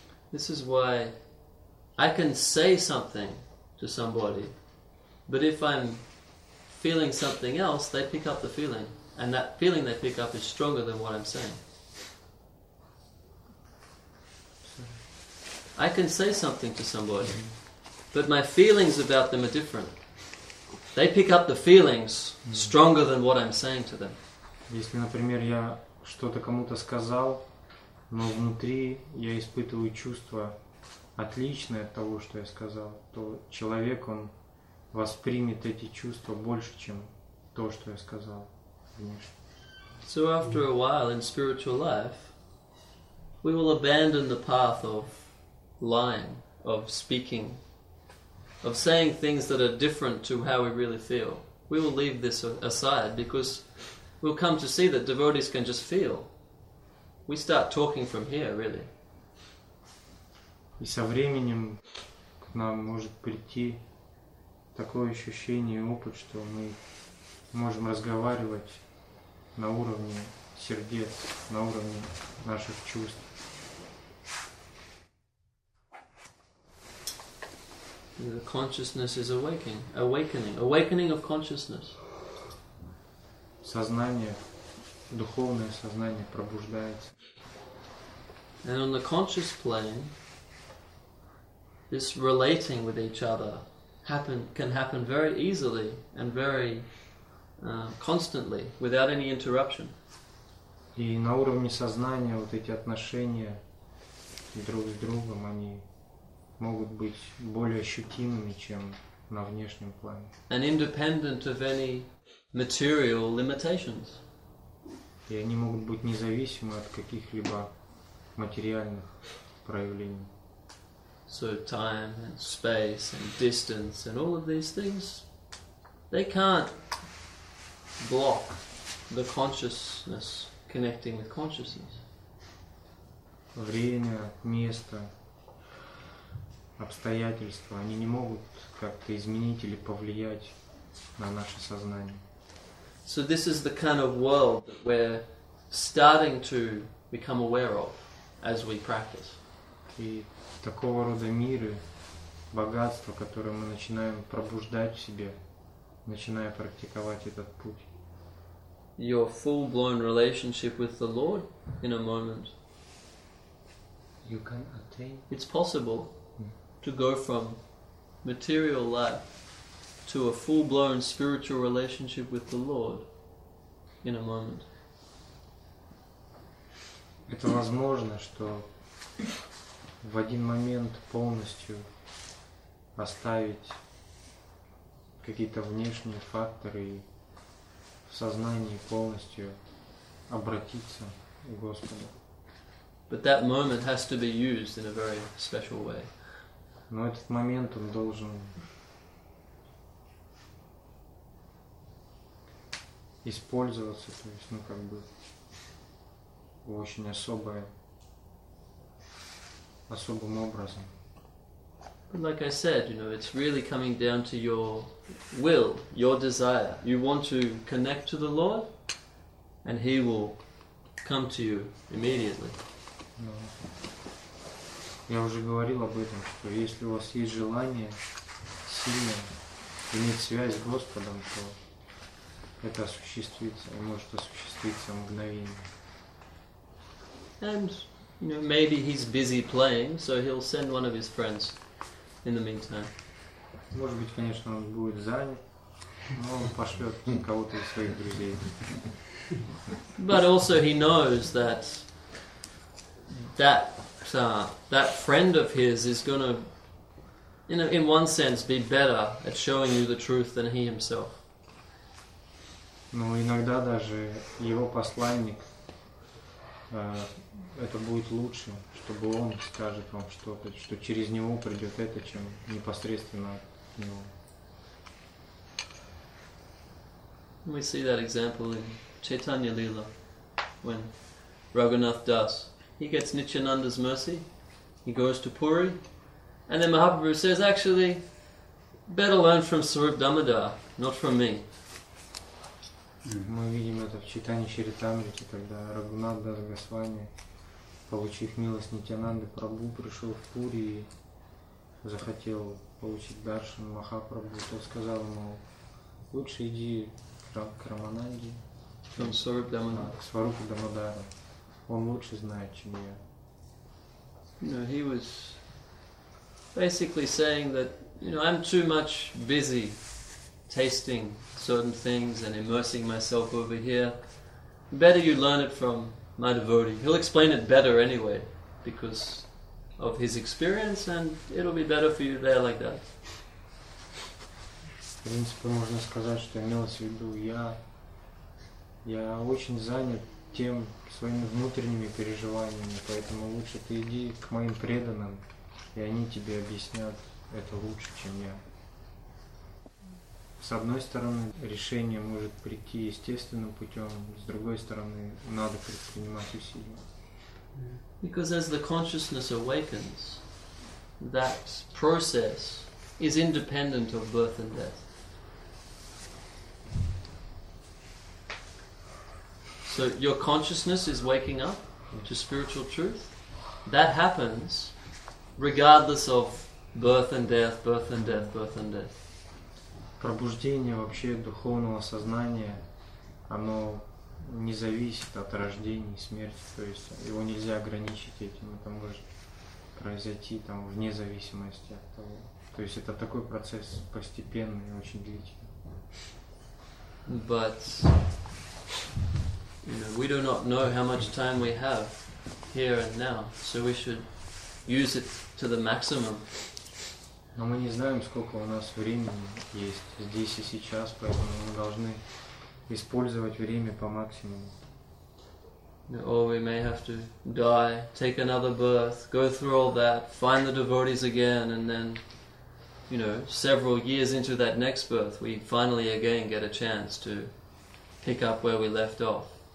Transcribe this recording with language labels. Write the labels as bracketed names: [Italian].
[English] This is why I can say something to somebody, but if I'm feeling something else, they pick up the feeling, and that feeling they pick up is stronger than what I'm saying. I can say something to somebody, but my feelings about them are different. They pick up the feelings stronger than what I'm saying to them. [Russian] Если, например, я что-то кому-то сказал, но внутри я испытываю чувство отличное от того, что я сказал, то человек, он воспримет эти чувства больше, чем то, что я сказал внешне. [English] So after a while in spiritual life, we will abandon the path of lying, of speaking, of saying things that are different to how we really feel. We will leave this aside because we'll come to see that devotees can just feel. We start talking from here, really. [Russian] И со временем к нам может прийти такое ощущение и опыт, что мы можем разговаривать на уровне сердец, на уровне наших чувств. [English] The consciousness is awakening of consciousness. [Russian] Сознание, духовное сознание пробуждается. [English] And on the conscious plane, this relating with each other can happen very easily and very constantly without any interruption. [Russian] И на уровне сознания вот эти отношения друг с другом, они могут быть более ощутимыми, чем на внешнем плане. [English] And independent of any material limitations. [Russian] И они могут быть независимы от каких-либо материальных проявлений. [English] So time and space and distance and all of these things, they can't block the consciousness connecting with consciousness. [Russian] Время, место, обстоятельства, они не могут как-то изменить или повлиять на наше сознание. [English] So this is the kind of world that we're starting to become aware of as we practice. [Russian] И такого рода миры, богатства, которые мы начинаем пробуждать в себе, начиная практиковать этот путь. [English] Your full-blown relationship with the Lord in a moment. You can attain. It's possible. To go from material life to a full-blown spiritual relationship with the Lord in a moment. [Russian] Это возможно, что в один момент полностью оставить какие-то внешние факторы и в сознании полностью обратиться к Господу. [English] But that moment has to be used in a very special way. [Russian] Но этот момент он должен использоваться, то есть, ну, как бы, очень особым образом. [English] But like I said, you know, it's really coming down to your will, your desire. You want to connect to the Lord, and He will come to you immediately. No. [Russian] Я уже говорил об этом, что если у вас есть желание сильно иметь связь с Господом, то это осуществится, и может осуществиться мгновение. [English] And, you know, maybe he's busy playing, so he'll send one of his friends in the meantime. [Russian] Может быть, конечно, он будет занят, но он пошлет кого-то из своих друзей. [English] But also he knows that friend of his is going to, in one sense, be better at showing you the truth than he himself. [Russian] Ну, иногда даже его посланник, это будет лучше, чтобы он скажет вам что-то, что через него придет это, чем непосредственно от него. [English] We see that example in Chaitanya Lila, when Raghunath Das, he gets Nityananda's mercy. He goes to Puri, and then Mahaprabhu says, actually, better learn from Swarup Damodar, not from me. [Russian] Мы видим это в читании Чаритамриты, когда Рагунат Дас Госвами, получив милость Нитянанды Прабху, пришел в Пури и захотел получить даршан Махапрабху, то сказал ему, лучше иди к Рамананде, к Сварупу Дамодару. Он лучше знает, чем я. [English] No, he was basically saying that, you know, I'm too much busy tasting certain things and immersing myself over here. Better you learn it from my devotee. He'll explain it better anyway, because of his experience, and it'll be better for you there like that. [Russian] В принципе, можно сказать, что имелось в виду, я очень занят тем своими внутренними переживаниями, поэтому лучше ты иди к моим преданным, и они тебе объяснят это лучше, чем я. С одной стороны, решение может прийти естественным путем, с другой стороны, надо предпринимать усилия. [English] Because as the consciousness awakens, that process is independent of birth and death. So your consciousness is waking up to spiritual truth. That happens regardless of birth and death, birth and death, birth and death. [Russian] Пробуждение вообще духовного сознания, оно не зависит от рождения и смерти, то есть его нельзя ограничить этим, это может произойти там вне зависимости от того. То есть это такой процесс постепенный и очень длительный. [English] But, you know, we do not know how much time we have here and now, so we should use it to the maximum. [Russian] Но мы не знаем, сколько у нас времени есть здесь и сейчас, поэтому мы должны использовать время по максимуму. [English] Or we may have to die, take another birth, go through all that, find the devotees again, and then, you know, several years into that next birth, we finally again get a chance to pick up where we left off.